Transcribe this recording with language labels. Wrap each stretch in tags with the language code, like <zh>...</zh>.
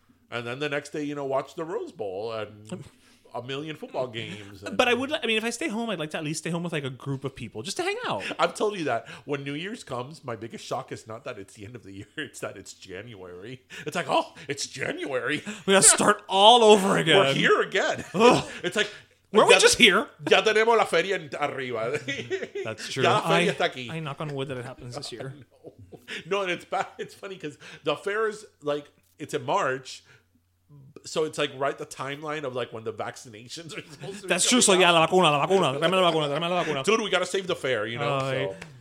<en>And then the next day, you know, watch the Rose Bowl and a million football games. And, but I would, I mean, if I stay home, I'd like to at least stay home with like a group of people just to hang out. I've told you that when New Year's comes, my biggest shock is not that it's the end of the year. It's that it's January. It's like, oh, it's January. We got to start all over again. We're here again. It's like, weren't we just here?</en> <es>Ya tenemos la feria arriba.</es> <en>That's true.</en> <es>Ya la feria está aquí.</es> <en>I knock on wood that it happens this year. No, and it's bad. It's funny because the fair is like, it's in March. So it's like right the timeline of like when the vaccinations are supposed to be. That's true. So out.</en> <es>Yeah, la vacuna, la vacuna. Dame la vacuna, dame la vacuna.</es> <en>Dude, we gotta save the fair, you know?</en>